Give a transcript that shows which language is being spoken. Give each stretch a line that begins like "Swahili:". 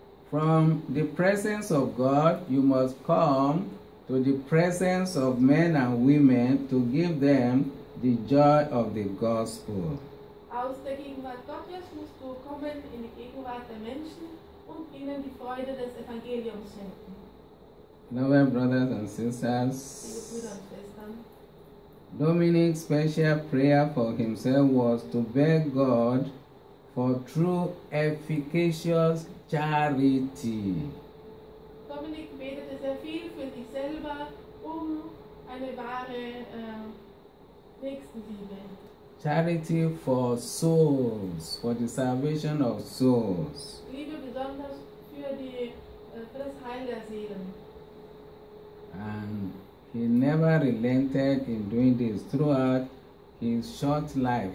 English: From the presence of God, you must come to the presence of men and women to give them the joy of the gospel.
German: Aus der Gegenwart Gottes musst du kommen in die Gegenwart der Menschen und ihnen die Freude des Evangeliums schenken.
English: Now, my brothers and sisters, Dominic's special prayer for himself was to beg God for true efficacious charity.
German: Dominic betete sehr viel für sich selber eine wahre Nächstenliebe.
English: Charity for souls, for the salvation of souls.
German: Liebe besonders für für das Heil der Seelen.
English: And he never relented in doing this throughout his short life.